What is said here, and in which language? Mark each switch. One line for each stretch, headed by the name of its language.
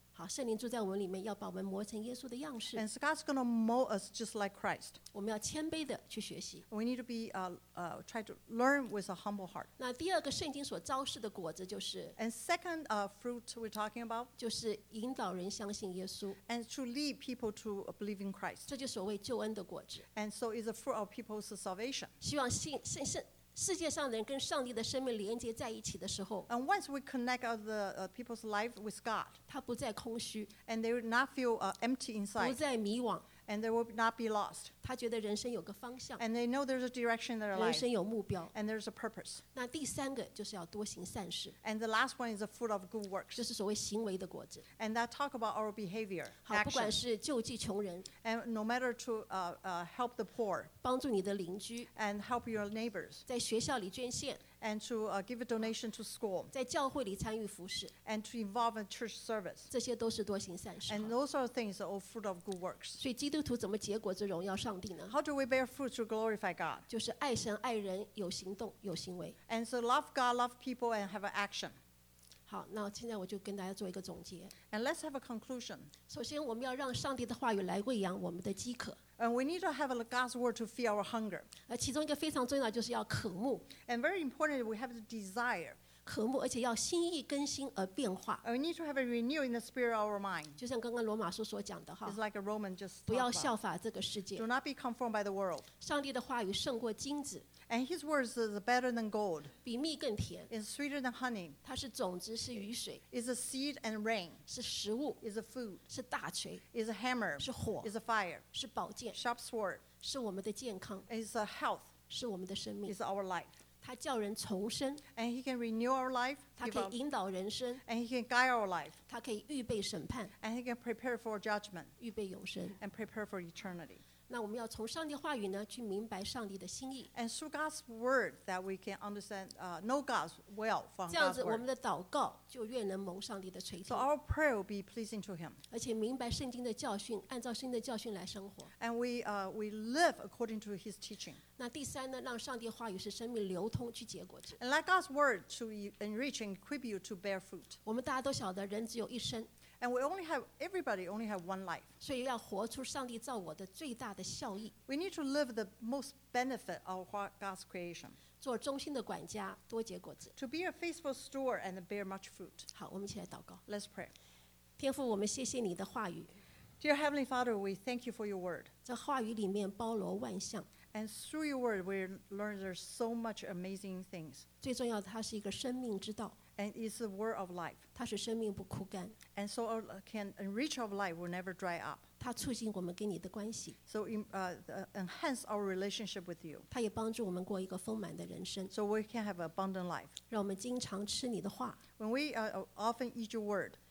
Chinese: 好，圣灵住在我们里面，要把我们磨成耶稣的样式。
English: And God's going to mold us just like Christ.
Chinese: 我们要谦卑的去学习。
English: We need to be try to learn with a humble heart.
Chinese: 那第二个圣经所昭示的果子就是
English: and second fruit we're talking about
Chinese: 就是引导人相信耶稣
English: and to lead people to believe in Christ.
Chinese: 这就是所谓救恩的果子。
English: And so it's a fruit of people's salvation.
Chinese: 希望世界上的人跟上帝的生命连接在一起的时候
English: and once we connect the people's life with God
Chinese: 他不再空虚
English: and they will not feel empty inside
Chinese: 不再迷惘
English: and they will not be lost
Chinese: 他觉得人生有个方向
English: and they know there's a direction in their life
Chinese: 人生有目标
English: and there's a purpose
Chinese: 那第三个就是要多行善事
English: and the last one is a fruit of good works
Chinese: 就是所谓行为的果子
English: and that talk about our behavior
Chinese: 好不管是救济穷人
English: and no matter to help the poor
Chinese: 帮助你的邻居
English: and help your neighbors
Chinese: 在学校里捐献
English: and to give a donation to school
Chinese: 在教会里参与服事
English: and to involve in church service
Chinese: 这些都是多行善事
English: and those are things all fruit of good works
Chinese: 所以基督徒怎么结果子荣耀上帝呢
English: how do we bear fruit to glorify God
Chinese: 就是爱神爱人有行动有行为
English: and so love God love people and have an action
Chinese: 好那现在我就跟大家做一个总结
English: and let's have a conclusion
Chinese: 首先我们要让上帝的话语来喂养我们的饥渴
English: And we need to have a God's word to feed our hunger.
Chinese: 其中一个非常重要就是要渴慕。
English: And very important, we have the desire.
Chinese: 渴慕，而且要心意更新而变化。
English: And we need to have a renew in the spirit of our mind.
Chinese: 就像刚刚罗马书所讲的哈。
English: It's like a Roman just.
Chinese: 不要效法这个世界。
English: Do not be conformed by the world.
Chinese: 上帝的话语胜过金子。
English: And His words is better than gold.
Chinese: 比蜜更甜。
English: Is sweeter than honey.
Chinese: 它是种子，是雨水。
English: Is a seed and rain.
Chinese: 是食物。
English: Is a food.
Chinese: 是大锤。
English: Is a hammer.
Chinese: 是火。
English: Is a fire.
Chinese: 是宝剑。
English: Sharp sword.
Chinese: 是我们的健康。
English: Is a health.
Chinese: 是我们的生命。
English: Is our life.
Chinese: 他叫人重生
English: and he can renew our life
Chinese: 他可以引导人生
English: and he can guide our life
Chinese: 他可以预备审判
English: and he can prepare for judgment
Chinese: 预备永生
English: and prepare for eternity
Chinese: 那我们要从上帝话语呢去明白上帝的心意
English: and through God's word that we can understand know God's will from God's word
Chinese: 这样子我们的祷告就越能蒙上帝的垂听
English: so our prayer will be pleasing to him
Chinese: 而且明白圣经的教训按照圣经的教训来生活
English: and we live according to his teaching
Chinese: 那第三呢让上帝话语是生命流通去结果子
English: and let God's word to enrich and equip you to bear fruit
Chinese: 我们大家都晓得人只有一生
English: and we only have everybody only have one life
Chinese: 所以要活出上帝造我的最大的效益
English: we need to live the most benefit of God's creation
Chinese: 做忠心的管家多结果子
English: to be a faithful steward and bear much fruit
Chinese: 好我们一起来祷告
English: let's pray
Chinese: 天父我们谢谢你的话语
English: Dear Heavenly Father we thank you for your word
Chinese: 这话语里面包罗万象
English: And through your word, we learn there's so much amazing things.
Chinese: 最重要的，它是一个生命之道。
English: And it's the word of life.
Chinese: 它使生命不枯干。
English: And so can enrich our life will never dry up.
Chinese: 它促进我们跟你的关系。
English: So enhance our relationship with you.
Chinese: 它也帮助我们过一个丰满的人生。
English: So we can have an abundant life.
Chinese: 让我们经常吃你的话。
English: When we often eat your word.